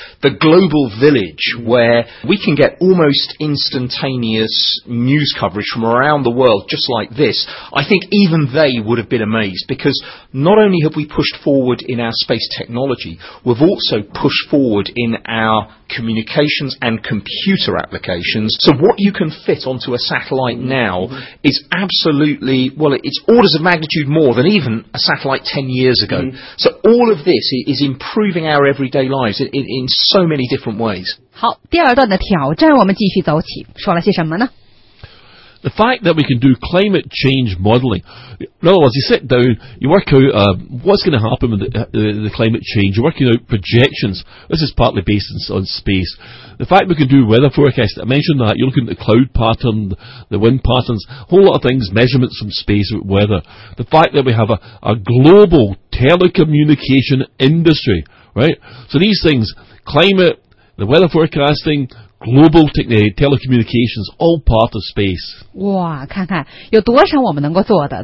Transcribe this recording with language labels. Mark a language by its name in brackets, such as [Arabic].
[English] the global village where we can get almost instantaneous news coverage from around the world just like this, I think even they would have been amazed, because not only have we pushed forward in our space technology, we've also pushed forward in our communications and computer applications. So what you can fit onto a satellite now is absolutely, well, it's orders of magnitude more than even a satellite 10 years ago. So all of this is improving our everyday lives in so many different ways. [Chinese] 好，第二段的挑战我们继续走起，说了些什么呢？ [English] The fact that we can do climate change modelling. In other words, you sit down, you work out what's going to happen with the climate change, you're working out projections. This is partly based on space. The fact we can do weather forecast, I mentioned that, you're looking at the cloud pattern, the wind patterns, a whole lot of things, measurements from space with weather. The fact that we have a global telecommunication industry, right? So these things, climate, the weather forecasting, Global telecommunications, all part of space. [Chinese] 哇，看看有多少我们能够做的。